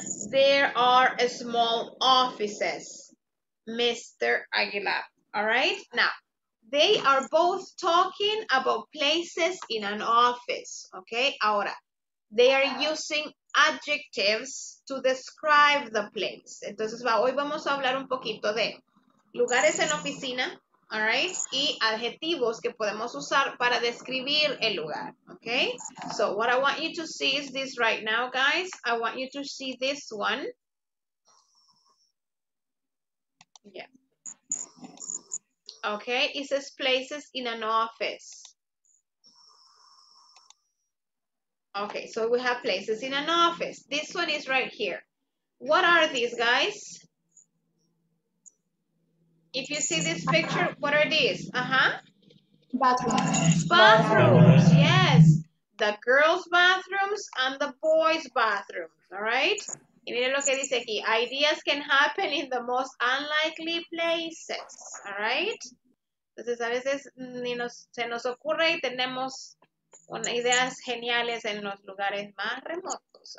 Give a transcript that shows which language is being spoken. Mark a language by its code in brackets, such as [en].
[en] There are small offices, Mr. Aguilar. All right, now, they are both talking about places in an office, okay? Ahora, they are using adjectives to describe the place. [es] Entonces, hoy vamos a hablar un poquito de lugares en oficina, all right, y adjetivos que podemos usar para describir el lugar, okay? [en] So, what I want you to see is this right now, guys. I want you to see this one. Yeah. Okay, it says places in an office. Okay, so we have places in an office. This one is right here. What are these, guys? If you see this picture, what are these? Uh-huh. Bathrooms. Bathrooms, yes. The girls' bathrooms and the boys' bathrooms, all right? [es] Y miren lo que dice aquí. [en] Ideas can happen in the most unlikely places, all right? [es] Entonces, a veces ni nos, se nos ocurre y tenemos una, ideas geniales en los lugares más remotos.